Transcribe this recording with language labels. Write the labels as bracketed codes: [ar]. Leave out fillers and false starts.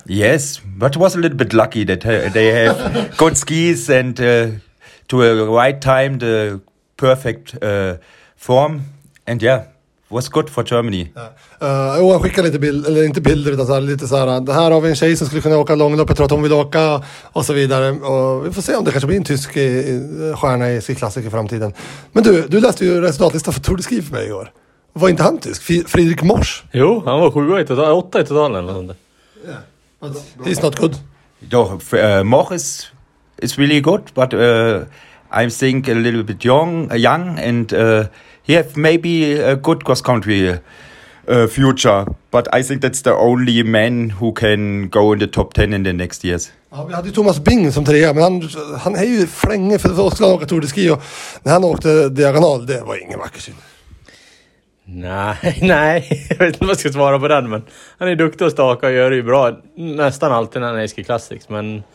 [en] Yes, but was a little bit lucky that they have good skis and to a right time the perfect form, and yeah. Was good for Germany. [sv] Jag skickar inte bilder utan så här, lite så här. Det här har vi en tjej som skulle kunna åka långloppet, tror att hon vill åka och så vidare. Och vi får se om det kanske blir en tysk stjärna i Ski Classic i framtiden. Men du läste ju resultatlistan för Tour de Ski för mig igår. Var inte han tysk? Fredrik Mors? Jo, han var 7 i totalen, 8 i totalen eller sånt. [en] Yeah. He's not good. No, Mors is really good, but I think a little bit young and... he have maybe a good cross country future, but I think that's the only man who can go in the top 10 in the next years. [sv] Ja, vi hade ju Thomas Bing som trea, men han är ju flänge för att åka Tour de Ski, och när han åkte diagonal, det var ingen vacker syn. Nej, jag vet inte vad jag ska svara på den, men han är duktig att staka och gör det ju bra nästan alltid när han är i Ski Classics, men...